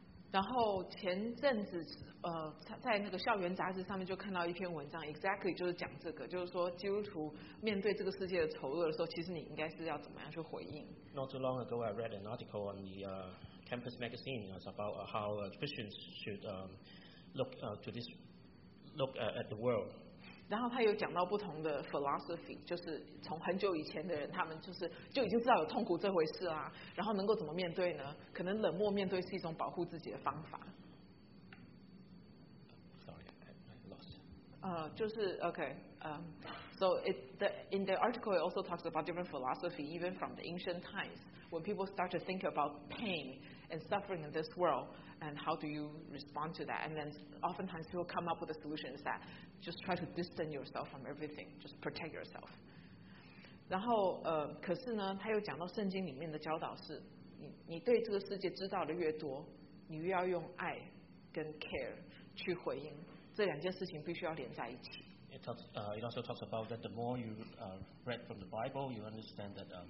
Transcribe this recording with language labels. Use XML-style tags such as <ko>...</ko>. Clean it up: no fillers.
<zh>然后前阵子在那个校园杂志上面就看到一篇文章 exactly 就是讲这个，就是说基督徒面对这个世界的丑恶的时候，其实你应该是要怎么样去回应。</zh> <en>Not too long ago I read an article on the campus magazine about how Christians should look at the world.</en> <zh>然后他有讲到不同的 philosophy， 就是从很久以前的人，他们就是就已经知道有痛苦这回事啦，然后能够怎么面对呢？可能冷漠面对是一种保护自己的方法。</zh> <en>Sorry, I lost.</en> <zh>就是 okay.</zh> <en>So in the article it also talks about different philosophy even from the ancient times when people start to think about pain and suffering in this world and how do you respond to that, and then oftentimes people come up with a solution is that just try to distance yourself from everything, just protect yourself.</en> <zh>然后可是呢，他又讲到圣经里面的教导是你对这个世界知道的越多，你越要用爱跟 care 去回应，这两件事情必须要连在一起。</zh> <en>It also talks about that the more you read from the Bible, you understand that</en>